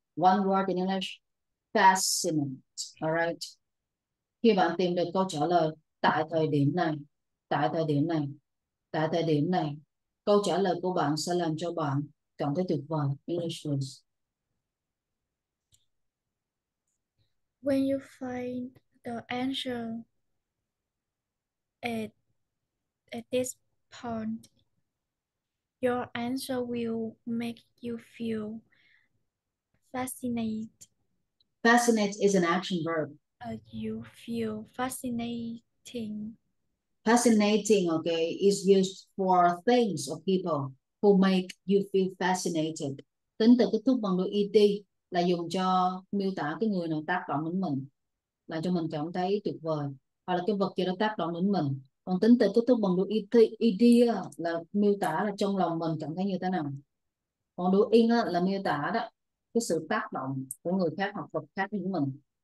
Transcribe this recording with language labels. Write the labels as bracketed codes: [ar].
[en] One word in English, fascinate. All right. [vi] Khi bạn tìm được câu trả lời tại thời điểm này, tại thời điểm này, tại thời điểm này, câu trả lời của bạn sẽ làm cho bạn cảm thấy tuyệt vời. [en] English. When you find the answer at this point, your answer will make you feel fascinated. Fascinate is an action verb. You feel fascinating. Fascinating, okay, is used for things or people who make you feel fascinated. [vi] Tính từ kết thúc bằng đôi ed là dùng cho miêu tả cái người nào tác động đến mình, làm cho mình cảm thấy tuyệt vời, hoặc là cái vật gì đó tác động đến mình. Còn tính từ kết thúc bằng đôi ed là miêu tả là trong lòng mình cảm thấy như thế nào. Còn đôi ing là miêu tả đó cái sự tác động của người khác hoặc vật khác đến mình.